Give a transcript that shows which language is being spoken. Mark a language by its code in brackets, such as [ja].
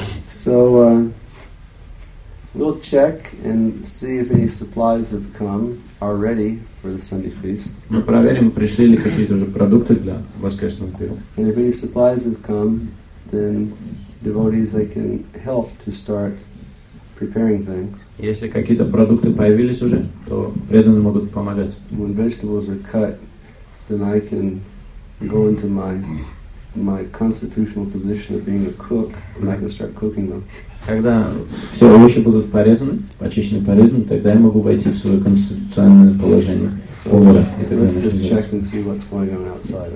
[en] So we'll check and see if any supplies have come already for the Sunday feast. [ru] Мы проверим, пришли ли какие-то уже продукты для воскресного пира. [en] And if any supplies have come, then devotees they can help to start preparing things. [ru] Если какие-то продукты появились уже, то преданные могут помогать. [en] When vegetables are cut, then I can go into my constitutional position of being a cook, and I can start cooking them. [ru] Когда все овощи будут порезаны, почищены, порезаны, тогда я могу войти в свое конституциональное положение повара. [en] Let's just check and see what's going on outside.